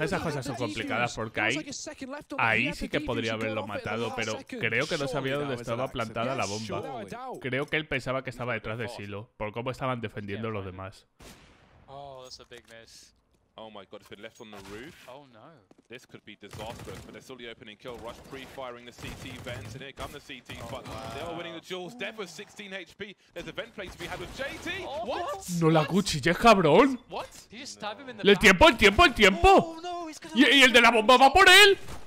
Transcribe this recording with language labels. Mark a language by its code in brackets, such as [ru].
[es] Esas cosas son complicadas porque ahí sí que podría haberlo matado, pero creo que no sabía dónde estaba plantada la bomba. Creo que él pensaba que estaba detrás de Silo por cómo estaban defendiendo los demás. [en] Oh, that's a big miss. Oh my god, if it left on the roof. Oh no. This could be disastrous, but they're still the opening kill. Rush pre-firing the CT vents, and here come the CT, but they are winning the jewels. Death with 16 HP. There's a vent play to be had with JT. Oh, what? [es] No la cuchille, cabrón. [en] What? Did you stab him in the back? [es] El tiempo. Oh, no, y el de la bomba va por él.